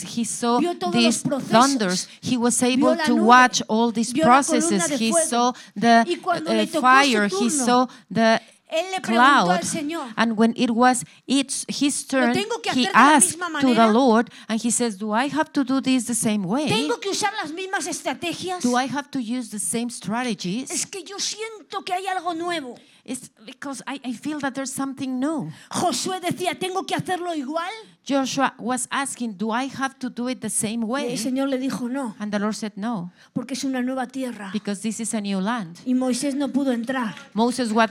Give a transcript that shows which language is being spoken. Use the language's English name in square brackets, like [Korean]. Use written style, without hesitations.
[English] He saw these thunders. He was able to watch all these processes. He saw the fire. He saw the [Spanish] él le cloud. Preguntó al Señor, [English] and when it was his turn, he asked to the Lord, and he says, do I have to do this the same way? [Spanish] ¿Tengo que usar las mismas estrategias? [English] Do I have to use the same strategies? [Spanish] Es que yo siento que hay algo nuevo. [English] It's because I feel that there's something new. [Spanish] Josué decía, ¿tengo que hacerlo igual? [English] Joshua was asking, do I have to do it the same way? [Spanish] Y el Señor le dijo no. [English] And the Lord said no. [Spanish] Porque es una nueva tierra. [English] Because this is a new land. [Spanish] Y Moisés no pudo entrar. [English] Moses was